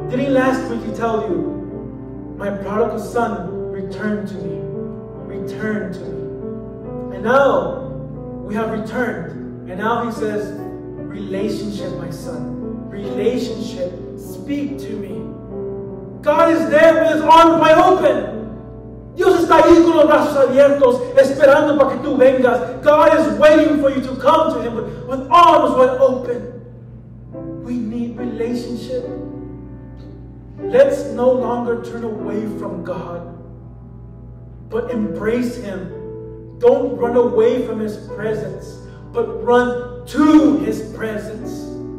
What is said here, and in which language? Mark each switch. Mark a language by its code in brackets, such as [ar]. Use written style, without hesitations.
[en] Didn't last week he tell you, my prodigal son returned to me, returned to me. And now we have returned. And now he says, relationship, my son, relationship, speak to me. God is there with his arms wide open. [es] Dios está ahí con los brazos abiertos, esperando para que tú vengas. [en] God is waiting for you to come to him with arms wide open. We need relationship. Let's no longer turn away from God, but embrace him. Don't run away from his presence, but run to his presence.